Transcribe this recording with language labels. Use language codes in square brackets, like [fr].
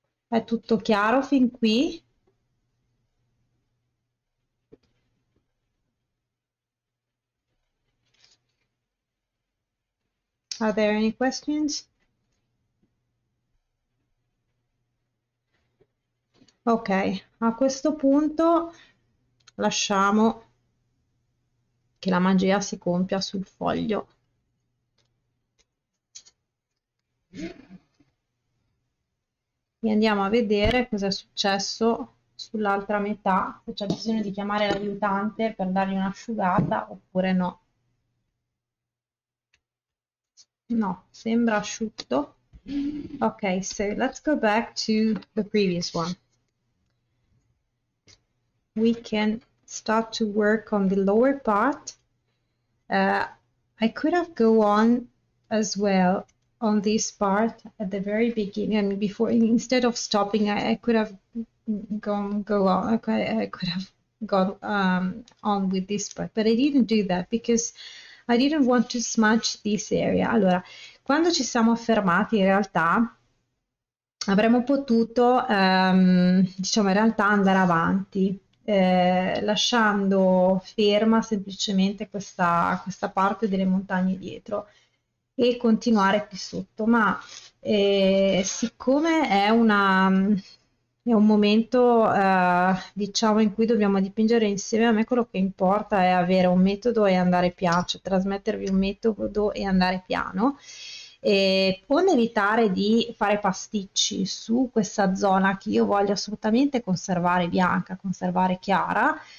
[it] È tutto chiaro fin qui? [en] Are there any questions? [it] Ok, a questo punto lasciamo che la magia si compia sul foglio. E andiamo a vedere cosa è successo sull'altra metà, se c'è bisogno di chiamare l'aiutante per dargli un'asciugata oppure no. No, sembra asciutto. [en] Ok, so let's go back to the previous one. We can start to work on the lower part. I could have go on as well. On this part at the very beginning, I mean, before instead of stopping, I could have gone go on. Okay, I could have gone on with this part, but I didn't do that because I didn't want to smudge this area. [it] Allora, quando ci siamo fermati, in realtà avremmo potuto, diciamo, in realtà andare avanti, lasciando ferma semplicemente questa parte delle montagne dietro. E continuare qui sotto, ma siccome è un momento diciamo in cui dobbiamo dipingere insieme, a me quello che importa è avere un metodo e andare piano, cioè trasmettervi un metodo e andare piano, e evitare di fare pasticci su questa zona che io voglio assolutamente conservare bianca, conservare chiara.